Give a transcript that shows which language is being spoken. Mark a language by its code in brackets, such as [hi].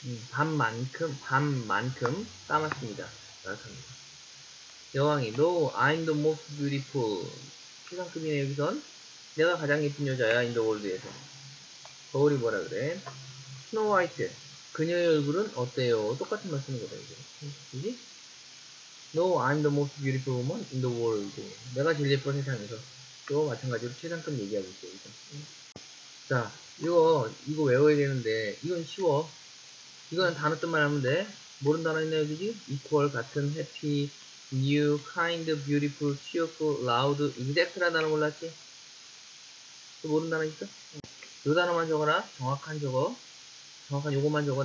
[ko] 반만큼 까맣습니다. 까맣습니다. 여왕이, [en] no, I'm the most beautiful. [ko] 최상급이네, 여기선. 내가 가장 예쁜 여자야, [en] in the world [ko] 에서. 거울이 뭐라 그래? Snow White. 그녀의 얼굴은 어때요? 똑같은 말 쓰는 거다, 이제. 그지? [en] No, I'm the most beautiful woman in the world. [ko] 내가 제일 예쁜 세상에서. 이거 마찬가지로 최상급 얘기하고 있어요, 이제. 자, 이거 외워야 되는데, 이건 쉬워. 이건 단어 뜻만 하면 돼. 모르는 단어 있나요, 그지? [en] equal, 같은, happy, new, kind, beautiful, cheerful, loud, exact [ko] 라는 단어 몰랐지? 또 모르는 단어 있어? 요 단어만 적어라. 정확한 적어. 정확한 요것만 적어.